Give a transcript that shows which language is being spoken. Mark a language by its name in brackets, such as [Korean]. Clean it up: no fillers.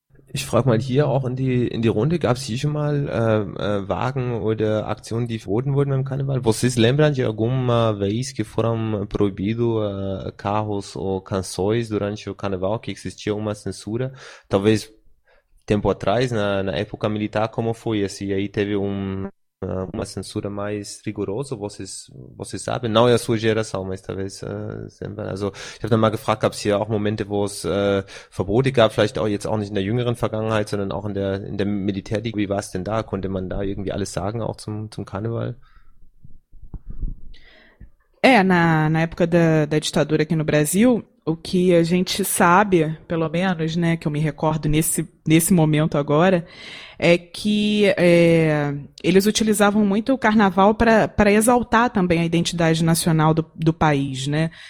[German] Ich frage mal hier auch in die Runde, gab es hier schon mal Wagen oder Aktionen, die verboten wurden beim Karneval? [Portuguese] Vocês lembram de alguma vez que foram proibidos carros ou canções durante o Carnaval, que existia uma censura? Talvez tempo atrás, na época militar, como foi? Assim, aí teve uma censura mais rigorosa, vocês sabem? Não é a sua geração, mas talvez sempre. [German] Also, ich habe dann mal gefragt, gab es hier auch Momente, wo es Verbote gab, vielleicht auch jetzt auch nicht in der jüngeren Vergangenheit, sondern auch in der Militärdienst. Wie war es denn da? Konnte man da irgendwie alles sagen, auch zum Karneval? [Portuguese] É, na época da ditadura aqui no Brasil, o que a gente sabe, pelo menos, né, que eu me recordo nesse momento agora, é que eles utilizavam muito o carnaval para exaltar também a identidade nacional do país, né?